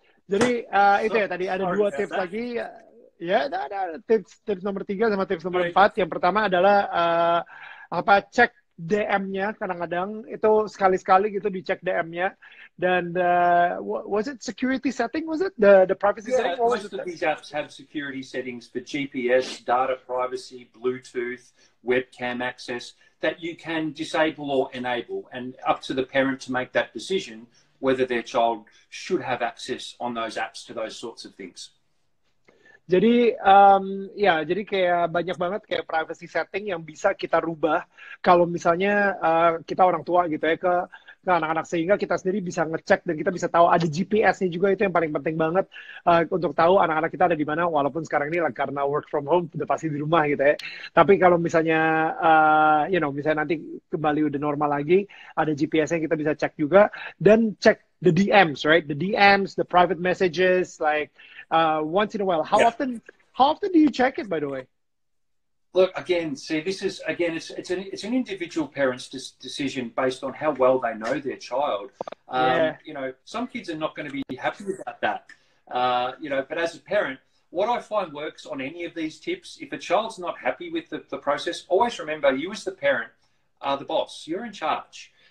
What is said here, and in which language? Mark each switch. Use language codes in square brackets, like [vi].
[id] Jadi, itu ya, tadi ada dua tips lagi. Ya, ada tips nomor tiga sama tips nomor empat. Yang pertama adalah, cek DM-nya kadang-kadang. Itu sekali-sekali gitu dicek DM-nya. [en] Dan, was it security setting, was it? The privacy setting? Yeah, most of these apps have security settings for GPS, data privacy, Bluetooth, webcam access, that you can disable or enable, and up to the parent to make that decision whether their child should have access on those apps to those sorts of things. [id] Jadi, jadi kayak banyak banget kayak privacy setting yang bisa kita rubah kalau misalnya kita orang tua gitu ya ke anak-anak, sehingga kita sendiri bisa ngecek dan kita bisa tahu ada GPS-nya juga. Itu yang paling penting banget untuk tahu anak-anak kita ada di mana, walaupun sekarang ini lah, karena [en] work from home [id] udah pasti di rumah gitu ya. Tapi kalau misalnya misalnya nanti kembali udah normal lagi, ada GPS-nya kita bisa cek juga. Dan cek [en] the DMs, right? The DMs, the private messages, like once in a while. How often do you check it, by the way? Look, again, see, this is, again, it's an individual parent's decision based on how well they know their child. You know, some kids are not going to be happy about that. But as a parent, what I find works on any of these tips, if a child's not happy with the process, always remember you as the parent are the boss. You're in charge.